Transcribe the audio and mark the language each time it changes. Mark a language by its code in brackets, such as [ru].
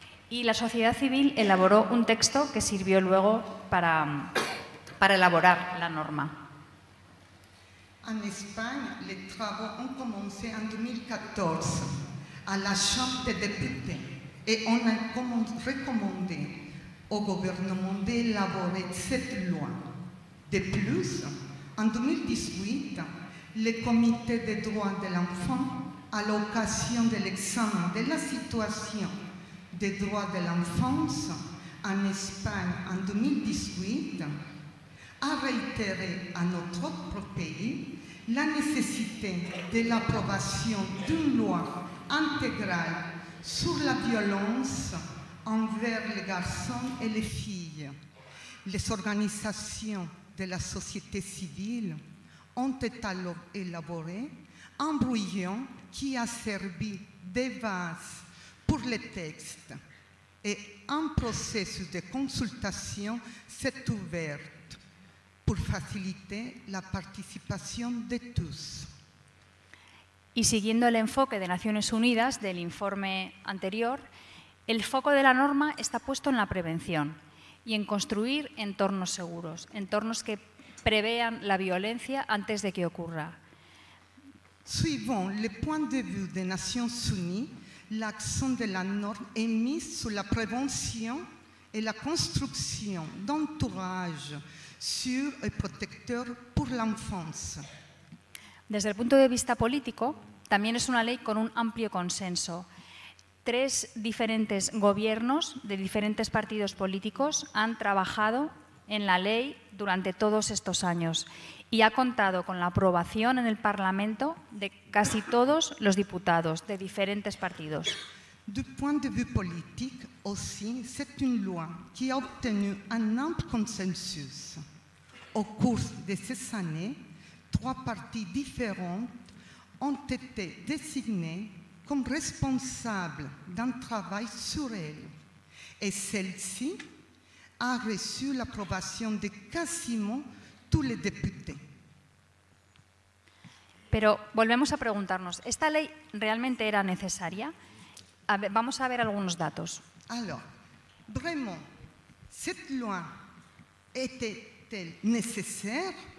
[es] Y la sociedad civil elaboró un texto que sirvió luego para elaborar la norma. En España, los trabajos han comenzado en 2014 a la Chambre des députés y on a recomendé al gobierno de elaborar esta ley. [fr] De plus, en 2018, le Comité des droits de l'enfant, à l'occasion de l'examen de la situation des droits de l'enfance en Espagne en 2018, a réitéré à notre propre pays la nécessité de l'approbation d'une loi intégrale sur la violence envers les garçons et les filles. Les organisations de la société civile ont été alors élaborés un brouillon qui a servi de base pour les textes et un processus de consultation s'est ouvert pour faciliter la participation de tous. [es] Y siguiendo el enfoque de Naciones Unidas del informe anterior, el foco de la norma está puesto en la prevención y en construir entornos seguros, entornos que prevean la violencia antes de que ocurra. [fr] Suivant le point de vue des Nations Unies, l'action de la norme est mise sur la prévention et la construction d'entourage sûr et protecteur pour l'enfance. [es] Desde el punto de vista político, también es una ley con un amplio consenso. 3 diferentes gobiernos de diferentes partidos políticos han trabajado en la ley durante todos estos años y ha contado con la aprobación en el Parlamento de casi todos los diputados de diferentes partidos. [fr] Du point de vue politique aussi, c'est une loi qui a obtenu un ample consensus. Au cours de ces années, 3 partis différents ont été désignés comme responsable d'un travail sur elle. Et celle-ci a reçu l'approbation de quasiment tous les députés. [es] Pero volvemos a preguntarnos, ¿esta ley realmente era necesaria? A ver, vamos a ver algunos datos. [fr] Alors, vraiment, cette loi était-elle nécessaire?